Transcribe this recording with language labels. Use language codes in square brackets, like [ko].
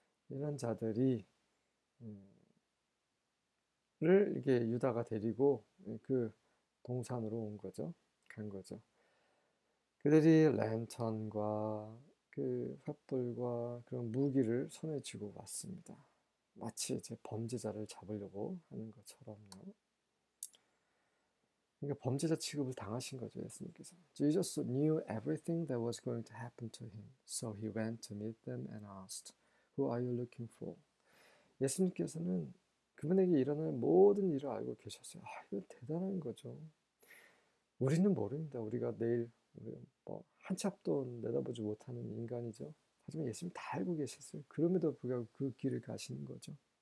[ko] 이런 자들이 를 이게 유다가 데리고 그 동산으로 온 거죠. 간 거죠. 그들이 랜턴과 그 횃불과 그런 무기를 손에 쥐고 왔습니다. 마치 이제 범죄자를 잡으려고 하는 것처럼요. 그러니까 범죄자 취급을 당하신 거죠, 예수님께서. [en] Jesus knew everything that was going to happen to him, so he went to meet them and asked, "Who are you looking for?" [ko] 예수님께서는 그분에게 일어날 모든 일을 알고 계셨어요. 아, 이거 대단한 거죠. 우리는 모릅니다. 우리가 내일 뭐한 참도 내다보지 못하는 인간이죠. 하지만 예수님 다 알고 계셨어요. 그럼에도 불구하고 그 길을 가시는 거죠.